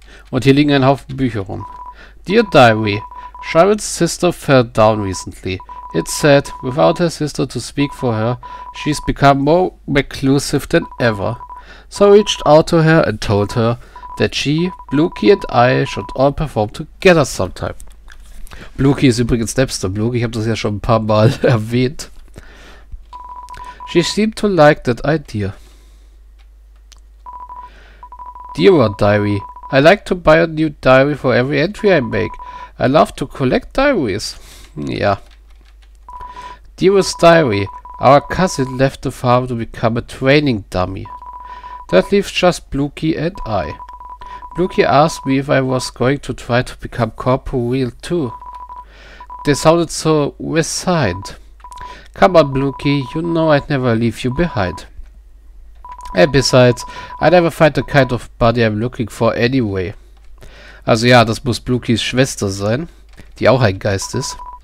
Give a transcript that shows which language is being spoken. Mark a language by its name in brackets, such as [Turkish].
[German] Und hier liegen ein Haufen Bücher rum. [English] Dear Diary, Charlotte's sister fell down recently. It's sad, without her sister to speak for her, she's become more reclusive than ever. So I reached out to her and told her that she, Blueky and I should all perform together sometime. [German] Blueky ist übrigens Napster Blueky, ich habe das ja schon ein paar Mal erwähnt. [English] She seemed to like that idea. Dear Diary, I like to buy a new diary for every entry I make. I love to collect diaries. [German] Ja. [English] Dearest Diary, our cousin left the farm to become a training dummy. That leaves just Blueky and I. Blueky asked me if I was going to try to become corporeal too. This sounded so resigned. Come on, Blueky, you know I'd never leave you behind. And besides, I never find the kind of body I'm looking for anyway. [German] Also ja, das muss Blukis Schwester sein, die auch ein Geist ist.